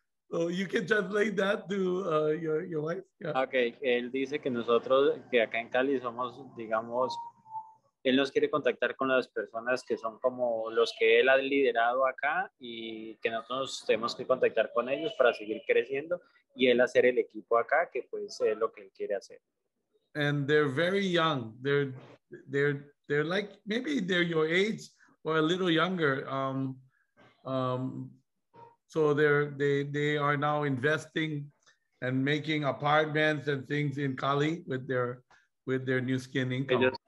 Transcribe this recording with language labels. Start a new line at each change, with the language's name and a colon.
English: So you can translate that to your wife.
Spanish: Okay, él dice que nosotros, que acá en Cali somos, digamos, él nos quiere contactar con las personas que son como los que él ha liderado acá y que nosotros tenemos que contactar con ellos para seguir creciendo y él hacer el equipo acá, que pues es lo que él quiere hacer.
English: And they're very young. They're like maybe they're your age or a little younger. So they are now investing and making apartments and things in Cali with their new skin income.